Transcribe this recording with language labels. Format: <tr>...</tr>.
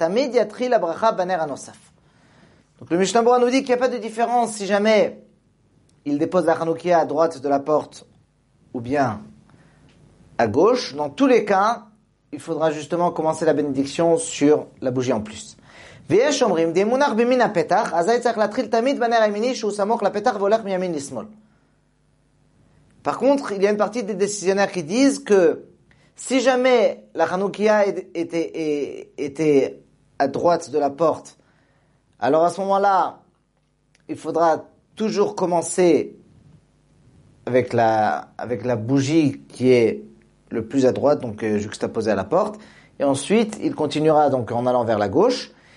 <he>Tamid yatril abracha baner anosaf.</he> <fr>Donc le Mishnah Berurah nous dit qu'il n'y a pas de différence si jamais il dépose la Chanoukia à droite de la porte ou bien à gauche. Dans tous les cas, il faudra justement commencer la bénédiction sur la bougie en plus.</fr> <he>ויש אומרים דימונח במין הפתח אזי צריך להתחיל תמיד בנר הימיני שהוא סמוך לפתח והולך מימין לשמאל.</he> <fr>Par contre, il y a une partie des décisionnaires qui disent que si jamais la Chanoukia était à droite de la porte, alors à ce moment-là, il faudra toujours commencer avec la bougie qui est le plus à droite, donc juxtaposée à la porte, et ensuite il continuera donc en allant vers la gauche.</fr>